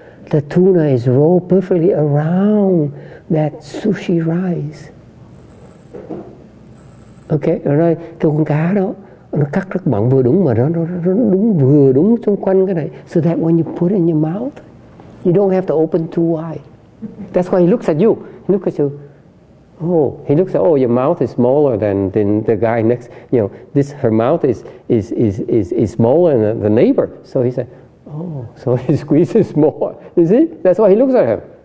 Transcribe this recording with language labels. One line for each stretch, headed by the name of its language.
English: The tuna is rolled perfectly around that sushi rice.
Vietnamese: Okay, rồi cái con cá đó nó cắt rất mỏng vừa đúng mà nó đúng vừa đúng xung quanh cái này.
English: So that when you put it in your mouth, you don't have to open too wide. That's why he looks at you. He looks at your mouth is smaller than the guy next. You know, this her mouth is smaller than the neighbor. So he said, oh, so he squeezes more. You see? That's why he looks at him.